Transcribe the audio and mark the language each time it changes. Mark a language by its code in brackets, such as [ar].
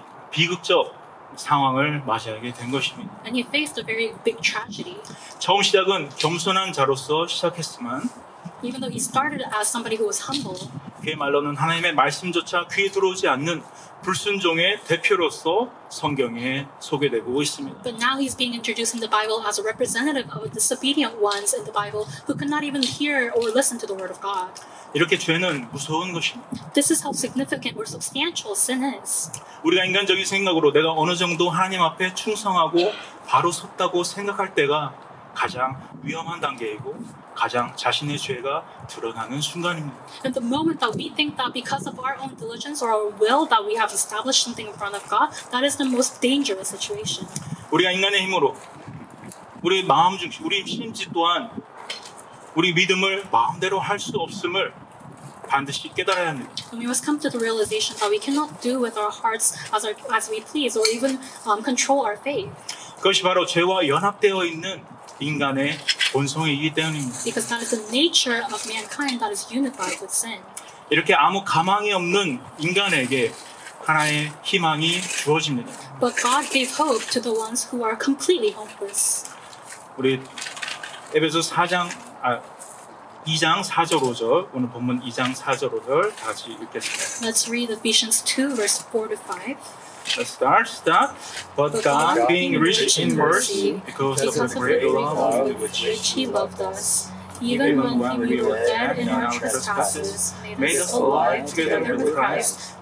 [ko] 비극적 상황을 맞이하게 된 것입니다. [en] And he faced a very big tragedy. [ko] 처음 시작은 겸손한 자로서 시작했지만. [en] Even though he started as somebody who was humble, [ko] 그의 말로는 하나님의 말씀조차 귀에 들어오지 않는 불순종의 대표로서 성경에 소개되고 있습니다. [en] But now he's being introduced in the Bible as a representative of the disobedient ones in the Bible who could not even hear or listen to the word of God. [ko] 이렇게 죄는 무서운 것입니다. [en] This is how significant or substantial sin is. [ko] 우리가 인간적인 생각으로 내가 어느 정도 하나님 앞에 충성하고 바로 섰다고 생각할 때가 가장 위험한 단계이고 가장 자신의 죄가 드러나는 순간입니다. [en] And the moment that we think that because of our own diligence or our will that we have established something in front of God, that is the most dangerous situation. [ko] 우리가 인간의 힘으로 우리 마음 중심, 우리 심지 또한 우리 믿음을 마음대로 할 수 없음을 반드시 깨달아야 합니다. [en] And we must come to the realization that we cannot do with our hearts as we please or even control our faith. [ko] 그것이 바로 죄와 연합되어 있는 인간의 본성이기 때문입니다. [en] Because that is the nature of mankind that is unified with sin. [ko] 이렇게 아무 가망이 없는 인간에게 하나의 희망이 주어집니다. [en] But God gave hope to the ones who are completely hopeless. [ko] 우리 에베소 4장 2장 4절 5절 오늘 본문 2장 4절 5절 다시 읽겠습니다. [en] Let's read Ephesians 2 verse 4 to 5. Let's start, But God, being rich in mercy, because of the great love with which He loved us, even when we were dead in our trespasses, made us alive together with Christ.